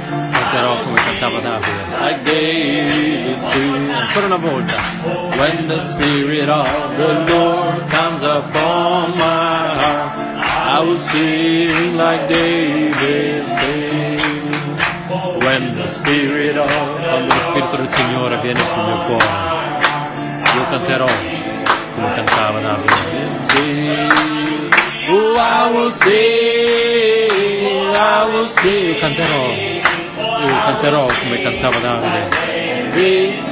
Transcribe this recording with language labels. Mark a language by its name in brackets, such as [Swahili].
[Italian] Canterò come cantava Davide. Ancora una volta. [English] When the spirit of the Lord comes upon my heart, I will sing like David sing. When the spirit of [Italian] quando lo spirito del Signore viene sul mio cuore, io canterò come cantava Davide. [English] Sing. Oh, I will sing, I will sing. [Italian] Io canterò come cantava Davide.